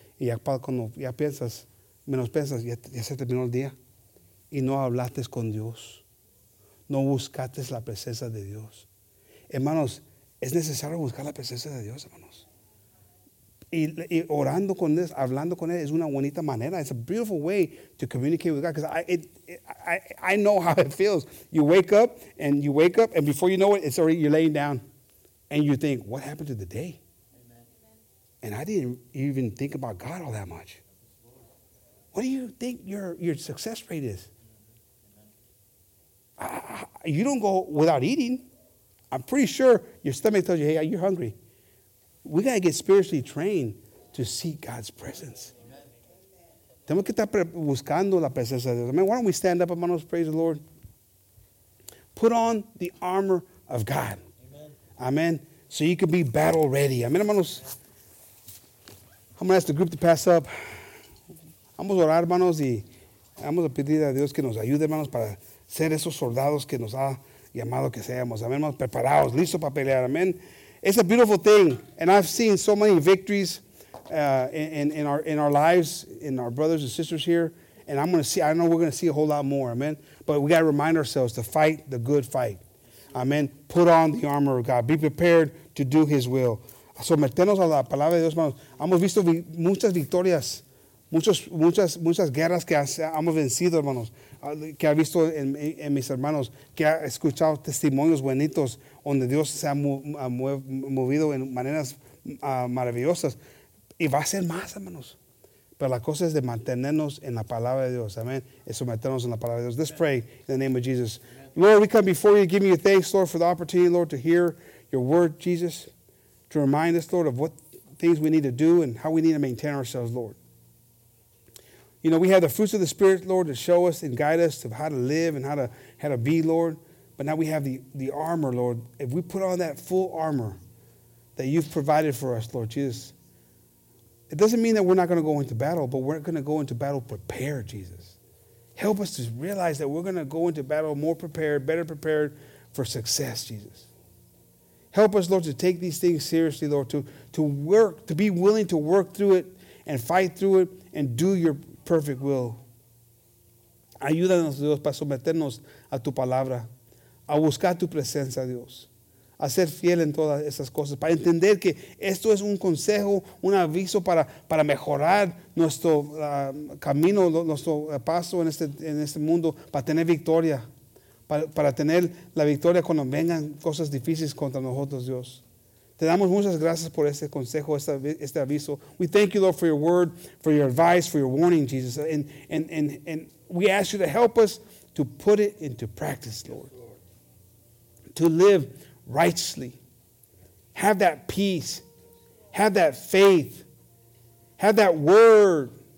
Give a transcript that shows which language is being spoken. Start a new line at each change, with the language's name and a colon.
Spanish: Y ya cuando ya piensas, menos piensas, ya se terminó el día. Y no hablaste con Dios. No buscaste la presencia de Dios. Hermanos, es necesario buscar la presencia de Dios, hermanos. Y orando con él, hablando con él, es una bonita manera.
English: It's a beautiful way to communicate with God. Because I know how it feels. You wake up, and before you know it, it's already, you're laying down. And you think, what happened to the day? Amen. And I didn't even think about God all that much. What do you think your success rate is? You don't go without eating. I'm pretty sure your stomach tells you, hey, you're hungry. We got to get spiritually trained to seek God's presence.
Spanish: Tenemos que estar buscando la presencia de Dios.
English: Why don't we stand up,
Spanish: hermanos,
English: praise the Lord. Put on the armor of God. Amen. Amen. So you can be battle ready. Amen, hermanos. I'm going to ask the group to pass up.
Spanish: Vamos a orar, hermanos, y vamos a pedir a Dios que nos ayude, hermanos, para ser esos soldados que nos ha llamado que seamos. Amen, hermanos, preparados, listos para pelear. Amen.
English: It's a beautiful thing, and I've seen so many victories in our lives, in our brothers and sisters here, and I know we're going to see a whole lot more, amen? But we got to remind ourselves to fight the good fight, amen? Put on the armor of God. Be prepared to do his will.
Spanish: Sometenos a la palabra de Dios, hermanos. Hemos visto muchas victorias, muchas guerras que hemos vencido, hermanos. Que ha visto en mis hermanos, que ha escuchado testimonios bonitos donde Dios se ha movido en maneras maravillosas. Y va a ser más, hermanos. Pero la cosa es de mantenernos en la palabra de Dios.
English: Amen.
Spanish: Y someternos en la palabra de Dios.
English: Let's pray in the name of Jesus. Amen. Lord, we come before you, giving you thanks, Lord, for the opportunity, Lord, to hear your word, Jesus, to remind us, Lord, of what things we need to do and how we need to maintain ourselves, Lord. You know, we have the fruits of the Spirit, Lord, to show us and guide us of how to live and how to be, Lord. But now we have the armor, Lord. If we put on that full armor that you've provided for us, Lord Jesus, it doesn't mean that we're not going to go into battle, but we're going to go into battle prepared, Jesus. Help us to realize that we're going to go into battle more prepared, better prepared for success, Jesus. Help us, Lord, to take these things seriously, Lord, to work, to be willing to work through it and fight through it and do your perfect will.
Spanish: Ayúdanos, Dios, para someternos a tu palabra, a buscar tu presencia, Dios, a ser fiel en todas esas cosas, para entender que esto es un consejo, un aviso para mejorar nuestro camino, nuestro paso en este mundo, para tener victoria, para tener la victoria cuando vengan cosas difíciles contra nosotros, Dios. Te damos muchas gracias por este consejo, este aviso.
English: We thank you, Lord, for your word, for your advice, for your warning, Jesus. And we ask you to help us to put it into practice, Lord. To live righteously. Have that peace. Have that faith. Have that word.